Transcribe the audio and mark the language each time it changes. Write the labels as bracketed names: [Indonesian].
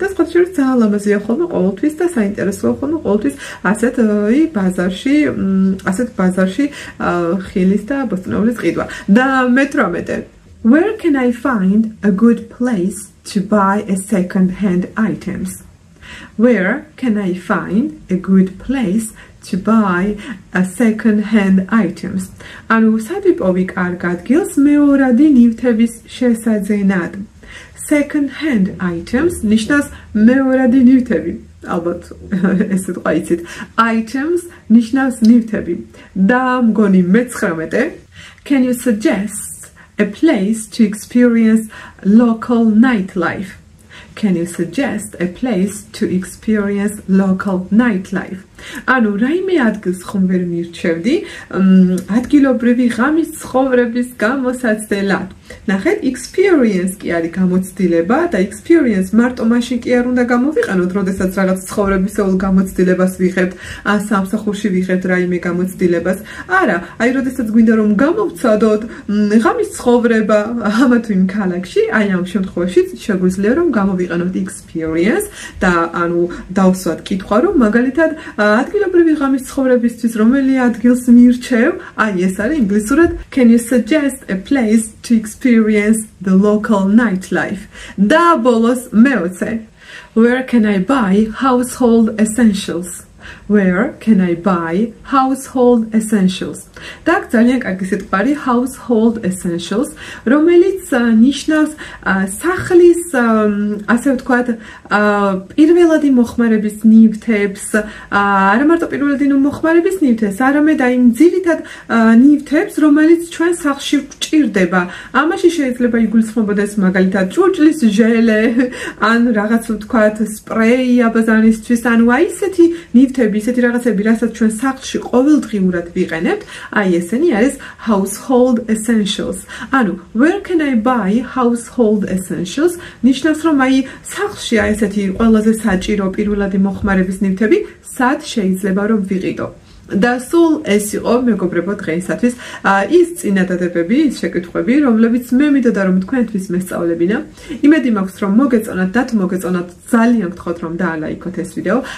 [Georgian] და სხვათა შორის ძალიან ლამაზია ხოლმე ყოველთვის და საინტერესოა ხოლმე ყოველთვის ასეთ ბაზარში ხილის და ბოსტნეულის ყიდვა. და მე-18. [English] Where can I find a good place to buy a second hand items? Where can I find a good place to buy a second hand items? [Georgian] ანუ სადიპოვი კარგ ადგილს მეორადი ნივთების შესაძენად. Second hand items ნიშნავს მეორადი ნივთები. Албат эсэт кайцит items нишнас нивтеби да мгони მე-19. [English] Can you suggest a place to experience local nightlife? Can you suggest a place to experience local nightlife? [Georgian] Ანუ რაიმე ადგილს ხომ ვერ მირჩევდი ადგილობრივი ღამის ცხოვრების გამოსაცდელად? ნახეთ, experience კი არის გამოცდილება და experience მარტო მაშინ კი არ უნდა გამოვიყენოთ, როდესაც რაღაც ცხოვრებისეულ გამოცდილებას ვიღებთ, ან სამსახურში ვიღებთ რაიმე გამოცდილებას. არა, აი როდესაც გვინდა რომ გამოვცადოთ ღამის ცხოვრება ამა თუ იმ ქალაქში, აი ამ შემთხვევაში შეგვიძლია რომ გამოვიყენოთ გამოვიყენოთ experience და ანუ დავსვათ კითხვა, რომ მაგალითად ადგილობრივი ღამის ცხოვრებისთვის რომელი ადგილს მირჩევ? აი, ეს არის ინგლისურად [English] can you suggest a place to experience the local nightlife? [Georgian] და ბოლოს მეოცე [English] where can I buy household essentials? Where can I buy household essentials? [Georgian] Так, ძალიან კარგი სიტყვარი household essentials, რომელიც ნიშნავს სახლის, ასე ვთქვათ, პირველადი მოხმარების ნივთებს, არა მარტო პირველადი მოხმარების ნივთებს, არამედ აი ძირითად ნივთებს, რომელიც ჩვენ სახლში გვჭირდება. ამაში შეიძლება იგულისხმებოდეს მაგალითად ჭურჭლის ჟელე, ან რაღაც ვთქვათ, სპრეი აბაზანისთვის, ან აი ესეთი ნივთები, ესეთი რაღაცები, რასაც ჩვენ სახლში ყოველდღიურად ვიყენებთ. აი ესენი არის household essentials. ანუ [English] where can I buy household essentials? [Georgian] ნიშნავს რომ აი სახლში აი ესეთი ყველაზე საჭირო პირველადი მოხმარების ნივთები სად შეიძლება რომ ვიყიდო. Да сул ეს იყო მეგობრებო დღეისათვის ის წინადადებები, ის შეკითხვები, რომლებიც მე მითხდა რომ თქვენთვის მესწავლებინა. იმედი მაქვს რომ მოგეწონათ, და თუ მოგეწონათ, ძალიან გთხოვთ რომ დაალაიქოთ ეს ვიდეო.